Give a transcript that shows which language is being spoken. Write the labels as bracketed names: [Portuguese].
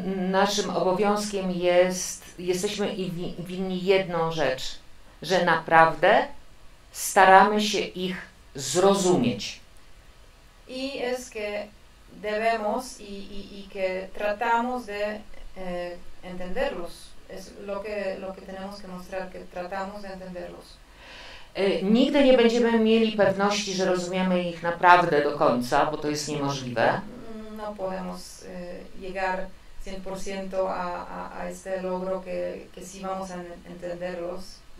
[Polish] Naszym obowiązkiem jest, jesteśmy winni jedną rzecz, że naprawdę staramy się ich zrozumieć. [Spanish] I es que debemos y que tratamos de entenderlos. Es lo que tenemos que mostrar, que tratamos de entenderlos. [Polish] Nigdy nie będziemy mieli pewności, że rozumiemy ich naprawdę do końca, bo to jest niemożliwe. [Spanish] No podemos llegar 100% a este logro que sí vamos a entenderlos.